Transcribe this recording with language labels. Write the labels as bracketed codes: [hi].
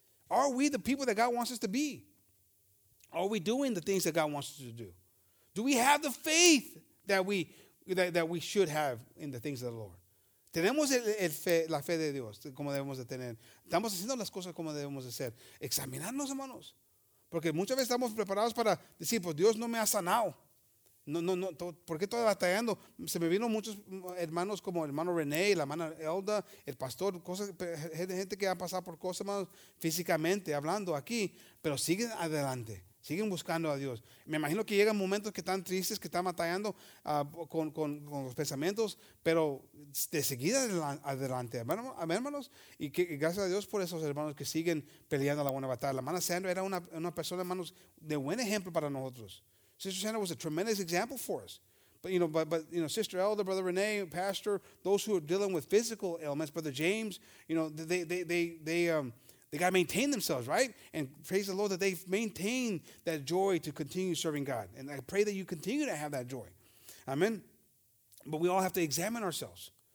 [en] Are we the people that God wants us to be? Are we doing the things that God wants us to do? Do we have the faith that we should have in the things of the Lord? [es] ¿Tenemos la fe de Dios como debemos de tener? ¿Estamos haciendo las cosas como debemos de hacer? Examinarnos, hermanos. Porque muchas veces estamos preparados para decir, pues Dios no me ha sanado. ¿Por qué estoy batallando? Se me vino muchos hermanos como el hermano René, la hermana Elda, el pastor, gente que ha pasado por cosas, hermanos, físicamente, hablando aquí, pero siguen adelante. Siguen buscando a Dios. Me imagino que llegan momentos que están tristes, que están batallando con los pensamientos, pero de seguida adelante. Amén, hermanos. Y que gracias a Dios por esos hermanos que siguen peleando la buena batalla. La hermana Sandra era una persona, hermanos, de buen ejemplo para nosotros. [en] Sister Sandra was a tremendous example for us. But, you know, Sister Elder, Brother Renee, Pastor, those who are dealing with physical ailments, Brother James, you know, they got to maintain themselves, right? And praise the Lord that they've maintained that joy to continue serving God. And I pray that you continue to have that joy. Amen. But we all have to examine ourselves.